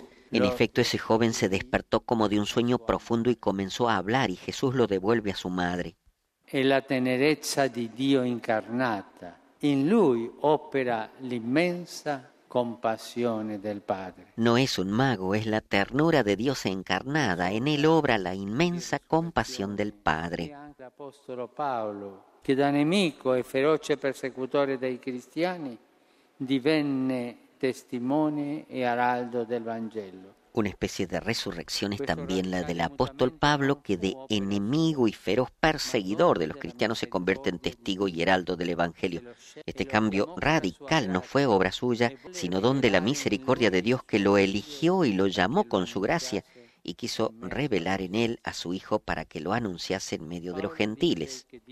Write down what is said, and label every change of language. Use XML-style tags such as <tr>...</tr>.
<es>En efecto, ese joven se despertó como de un sueño profundo y comenzó a hablar y Jesús lo devuelve a su madre.</es> <it>E la tenerezza di Dio incarnata in lui opera l'immensa compassione del Padre.</it> <es>No es un mago, es la ternura de Dios encarnada. En él obra la inmensa compasión del Padre.</es> <it>Anche l'apostolo Paolo, che da nemico e feroce persecutore dei cristiani, divenne testimone e araldo del Vangelo.</it> <es>Una especie de resurrección es también la del apóstol Pablo, que de enemigo y feroz perseguidor de los cristianos se convierte en testigo y heraldo del Evangelio. Este cambio radical no fue obra suya, sino don de la misericordia de Dios que lo eligió y lo llamó con su gracia y quiso revelar en él a su Hijo para que lo anunciase en medio de los gentiles.</es>